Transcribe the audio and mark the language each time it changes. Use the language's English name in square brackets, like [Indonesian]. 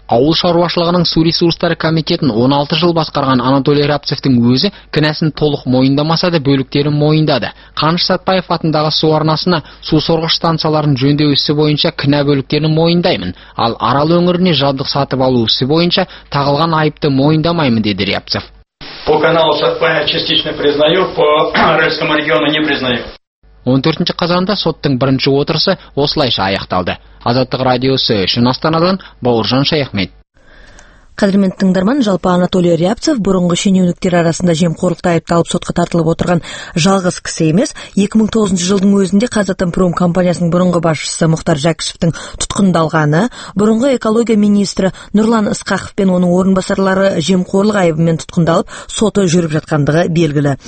[Kazakh] Ауыл шаруашылығының су ресурстары комитетін 16 жыл басқарған Анатолий Рябцевтің өзі кінәсін толық мойындамаса да бөліктерін мойындады. Қаныш Сатпаев атындағы су арнасына су сорғыш станцияларын жөндеу ісі бойынша кінә бөліктерін мойындаймын, ал Арал өңіріне жабдық сатып алу ісі бойынша тағылған айыпты мойындамаймын, деді Рябцев. [Russian] По каналу Сатпаев частично признаю, по Аральскому региону не признаю. [Kazakh] 14 қазанда соттың бірінші отырысы осылайша аяқталды. Азаттық радиосы үшін Астанадан Бауыржан Шаяхмет. Қазірмен тыңдарман, жалпы Анатолий Рябцев бұрынғы шенеуніктер арасында жемқорлықта айыпталып сотқа тартылып отырған жалғыз кісі емес. 2009 жылдың өзінде Қазатомпром компаниясының бұрынғы басшысы Мұхтар Жәкішевтің тұтқындалғаны, бұрынғы экология министрі Нұрлан Ысқақов пен оның орынбасарлары жемқорлық айыбымен тұтқындалып, соты жүріп жатқандығы белгілі.